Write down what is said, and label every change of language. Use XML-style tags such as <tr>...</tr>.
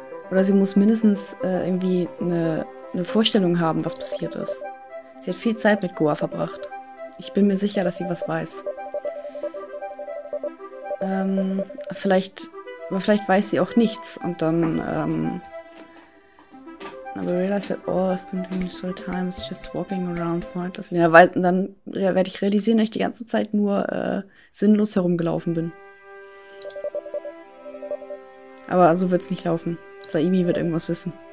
<de>Oder sie muss mindestens irgendwie eine Vorstellung haben, was passiert ist. Sie hat viel Zeit mit Koa verbracht. Ich bin mir sicher, dass sie was weiß. Aber vielleicht weiß sie auch nichts. Und dann</de> <en>Aber realize that all I've been doing this whole time is just walking around pointless.</en> <de>Ja, weil, dann werde ich realisieren, dass ich die ganze Zeit nur sinnlos herumgelaufen bin. Aber so wird's nicht laufen. Saimi wird irgendwas wissen.</de>